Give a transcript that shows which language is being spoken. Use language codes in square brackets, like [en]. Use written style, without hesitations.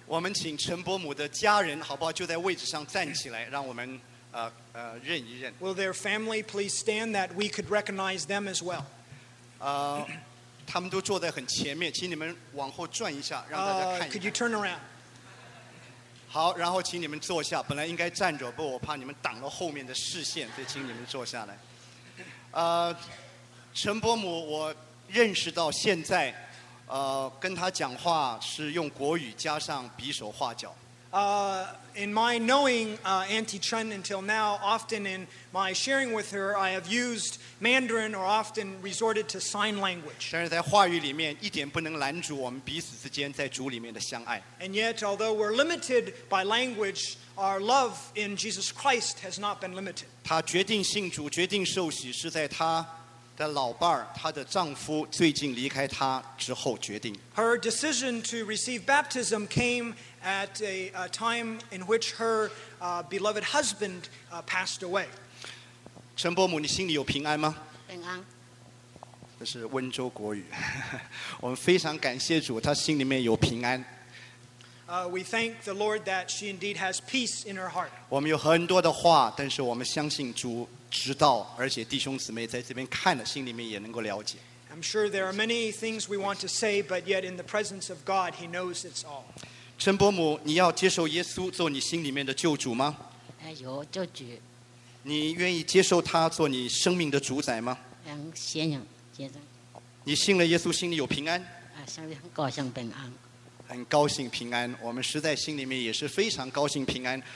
[zh] 我们请陈伯母的家人好不好就在位置上站起来，让我们认一认。 [en] Will their family please stand that we could recognize them as well? [zh] 他们都坐在很前面，请你们往后转一下，让大家看一下。 [en] Could you turn around? [zh] 好，然后请你们坐下。本来应该站着，不过我怕你们挡了后面的视线，所以请你们坐下来。陈伯母，我认识到现在，跟他讲话是用国语加上比手画脚。 [en] In my knowing Auntie Chen until now, often in my sharing with her, I have used Mandarin or often resorted to sign language. [zh] 但是在话语里面一点不能拦阻我们彼此之间在主里面的相爱。 [en] And yet, although we're limited by language, our love in Jesus Christ has not been limited. [zh] 她决定信主，决定受洗，是在她的老伴儿，她的丈夫最近离开她之后决定。 [en] Her decision to receive baptism came at a time in which her beloved husband passed away. [zh] 陈伯母，你心里有平安吗？平安。这是温州国语。我们非常感谢主，她心里面有平安。 [en] We thank the Lord that she indeed has peace in her heart. [zh] 我们有很多的话，但是我们相信主知道，而且弟兄姊妹在这边看了，心里面也能够了解。 [en] I'm sure there are many things we want to say, but yet in the presence of God, He knows it's all. [zh] 陈伯母，你要接受耶稣做你心里面的救主吗？有救主。你愿意接受他做你生命的主宰吗？先生，先生。你信了耶稣，心里有平安？心里很高兴平安。很高兴平安，我们实在心里面也是非常高兴平安。